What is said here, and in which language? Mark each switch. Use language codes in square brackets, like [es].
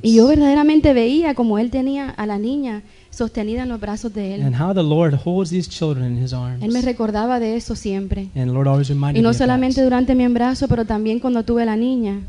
[es] Y yo verdaderamente veía como él tenía a la niña sostenida en los brazos de él. [en] And how the Lord holds these children in his arms. [es] Él me recordaba de eso siempre. [en] And the Lord always reminded [es] y no solamente [en] me [es] durante mi embarazo, pero también cuando tuve la niña.